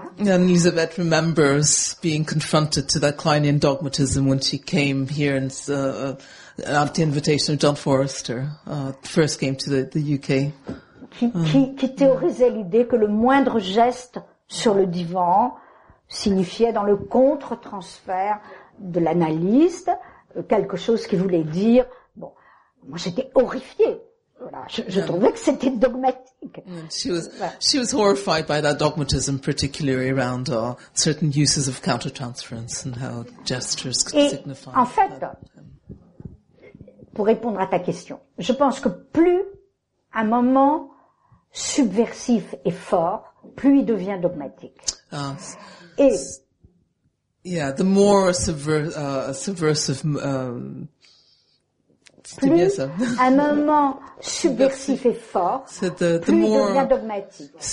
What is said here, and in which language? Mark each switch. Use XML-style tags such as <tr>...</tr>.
<en>And Elizabeth remembers being confronted to that Kleinian dogmatism when she came here and, at the invitation of John Forrester, first came to the UK.</en> <fr>Qui théorisait l'idée que le moindre geste sur le divan signifiait dans le contre-transfert de l'analyste quelque chose qui voulait dire, bon, moi j'étais horrifiée. Voilà, je trouvais que c'était dogmatique.</fr> <en>She was horrified by that dogmatism, particularly around certain uses of counter-transference and how gestures could signify.</en> <fr>En fait, pour répondre à ta question, je pense que plus un moment subversif et fort, plus il devient dogmatique. Un moment subversif et fort, so plus il devient dogmatique.</fr>